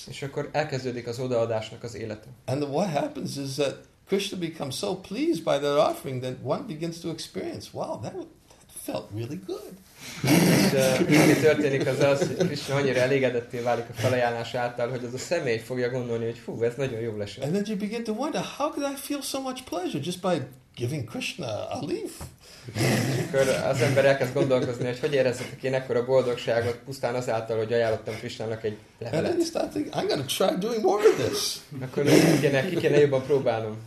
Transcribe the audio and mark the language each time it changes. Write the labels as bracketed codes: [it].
[hu] És akkor elkezdődik az odaadásnak az élete. [en] And what happens is that Krishna becomes so pleased by that offering that one begins to experience, wow, that felt really good. [hu] És ami történik az, hogy Krishna annyira elégedetté válik a felajánlás által, hogy az a személy fogja gondolni, hogy fú, ez nagyon jó lesz. [en] And then you begin to wonder, how could I feel so much pleasure just by giving Krishna a leaf. [hu] Akkor az ember elkezd gondolkozni, hogy hogyan érezhetek én ekkora boldogságot pusztán azáltal, hogy ajánlottam Krishnának egy levelet. [en] And then he started thinking, I'm going to try doing more of this. [hu] Akkor ki kéne jobban próbálnom.